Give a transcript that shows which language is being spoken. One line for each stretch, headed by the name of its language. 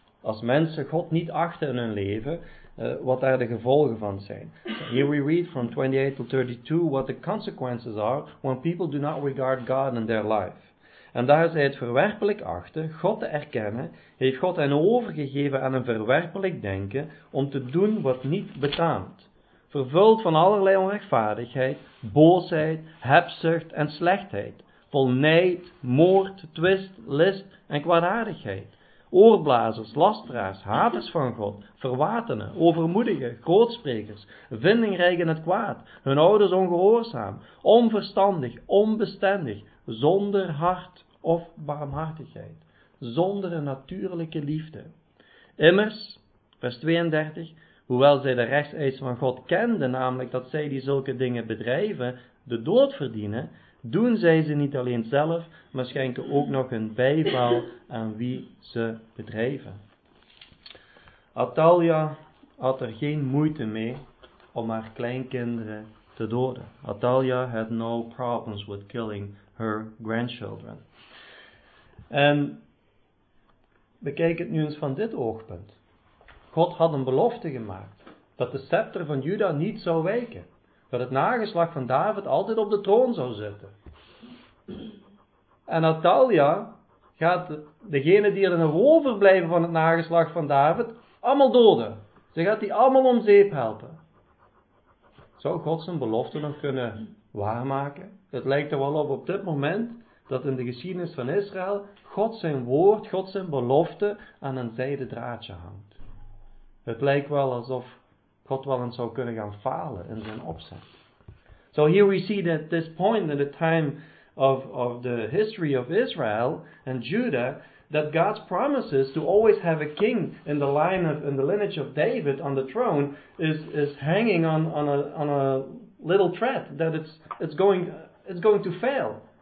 Dutch: Als mensen God niet achten in hun leven, wat daar de gevolgen van zijn.
English: Here we read from 28 to 32 what the consequences are when people do not regard God in their life.
Dutch: En daar zij het verwerpelijk achten, God te erkennen, heeft God hen overgegeven aan een verwerpelijk denken om te doen wat niet betaamt. Vervuld van allerlei onrechtvaardigheid, boosheid, hebzucht en slechtheid. Vol nijd, moord, twist, list en kwaadaardigheid. Oorblazers, lasteraars, haters van God, verwatenen, overmoedigen, grootsprekers, vindingrijk in het kwaad, hun ouders ongehoorzaam, onverstandig, onbestendig, zonder hart of barmhartigheid, zonder een natuurlijke liefde. Immers, vers 32, hoewel zij de rechtseisen van God kenden, namelijk dat zij die zulke dingen bedrijven, de dood verdienen, doen zij ze niet alleen zelf, maar schenken ook nog een bijval aan wie ze bedrijven. Atalia had er geen moeite mee om haar kleinkinderen te doden.
English: Atalia had no problems with killing her grandchildren.
Dutch: En bekijk het nu eens van dit oogpunt. God had een belofte gemaakt dat de scepter van Juda niet zou wijken. Dat het nageslacht van David altijd op de troon zou zitten. En Atalia gaat degene die er in een rover blijven van het nageslacht van David, allemaal doden. Ze gaat die allemaal om zeep helpen. Zou God zijn belofte nog kunnen waarmaken? Het lijkt er wel op dit moment dat in de geschiedenis van Israël God zijn woord, God zijn belofte aan een zijden draadje hangt. Het lijkt wel alsof God wel eens zou kunnen gaan falen in zijn opzet.
English: So here we see that this point in the time of the history of Israel and Judah, that God's promises to always have a king in the line of in the lineage of David on the throne is hanging on a little thread that it's going to fail.